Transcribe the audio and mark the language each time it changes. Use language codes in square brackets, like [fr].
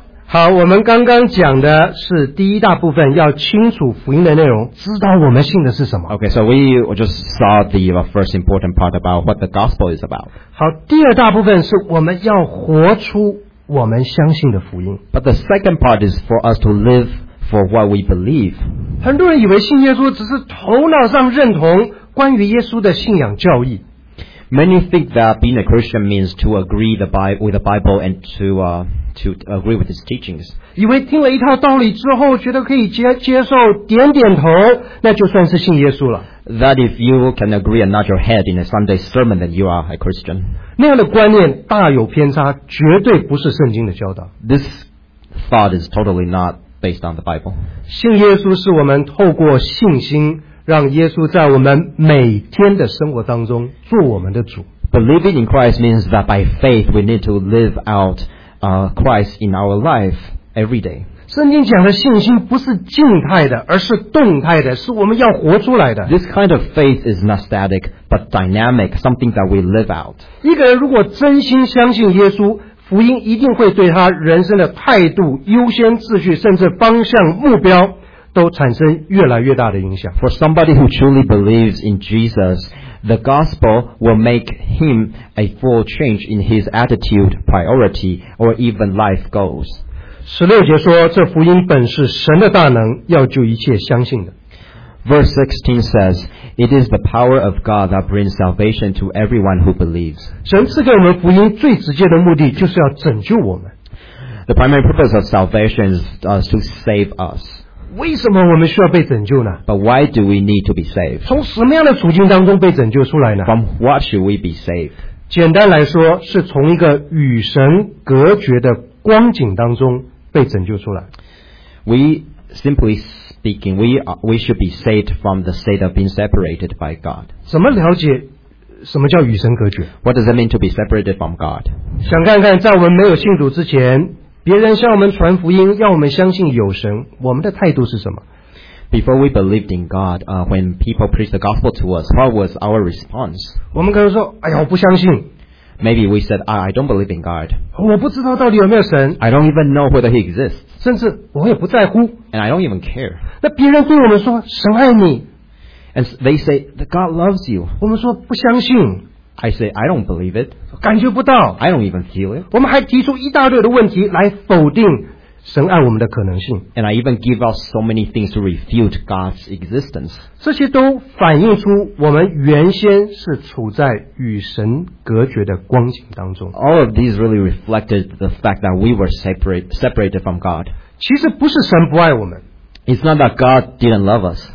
[zh] 好我们刚刚讲的是第一大部分要清楚福音的内容知道我们信的是什么 [en] OK so we just saw the first important part about what the gospel is about [zh] 好第二大部分是我们要活出我们相信的福音 [en] But the second part is for us to live for what we believe. [zh] 很多人以为信耶稣只是头脑上认同关于耶稣的信仰教义。 [en] Many think that being a Christian means to agree with the Bible and to agree with its teachings. [zh] 以为听了一套道理之后觉得可以 接受点点头那就算是信耶稣了。 [en] That if you can agree and nod your head in a Sunday sermon, then you are a Christian. [zh] 那样的观念大有偏差，绝对不是圣经的教导。 [en] This thought is totally not based on the Bible. [zh] 信耶稣是我们透过信心让耶稣在我们每天的生活当中做我们的主。 [en] Believing in Christ means that by faith we need to live out Christ in our life every day. [zh] 圣经讲的信心不是静态的，而是动态的，是我们要活出来的。 [en] This kind of faith is not static but dynamic, something that we live out. [zh] 一个人如果真心相信耶稣，福音一定会对他人生的态度、优先秩序，甚至方向、目标都产生越来越大的影响。 [en] For somebody who truly believes in Jesus, the gospel will make him a full change in his attitude, priority, or even life goals. [zh] 十六节说，这福音本是神的大能，要救一切相信的。 [en] Verse 16 says, "It is the power of God that brings salvation to everyone who believes." [zh] 神赐给我们福音最直接的目的就是要拯救我们。 [en] The primary purpose of salvation is to save us. [zh] 为什么我们需要被拯救呢？ [en] But why do we need to be saved? [zh] 从什么样的处境当中被拯救出来呢？ [en] From what should we be saved? [zh] 简单来说，是从一个与神隔绝的光景当中被拯救出来。 [en] We, simply speaking, we should be saved from the state of being separated by God. [zh] 怎么了解什么叫与神隔绝？ [en] What does it mean to be separated from God? [zh] 想看看在我们没有信主之前，别人向我们传福音，要我们相信有神，我们的态度是什么？ [en] Before we believed in God, when people preached the gospel to us, what was our response? [zh] 我们可能说，哎呀，我不相信。 [en] Maybe we said, I don't believe in God. [zh] 我不知道到底有没有神。 [en] I don't even know whether he exists. [zh] 甚至我也不在乎。 [en] And I don't even care. [zh] 那别人对我们说，神爱你。 [en] And they say that God loves you. [zh] 我们说不相信。 [en] I say, I don't believe it. [zh] 感觉不到。 [en] I don't even feel it. [zh] 我们还提出一大堆的问题来否定神爱我们的可能性。 [en] And I even give out so many things to refute God's existence. [zh] 这些都反映出我们原先是处在与神隔绝的光景当中。 [en] All of these really reflected the fact that we were separated from God. [zh] 其实不是神不爱我们。 [en] It's not that God didn't love us.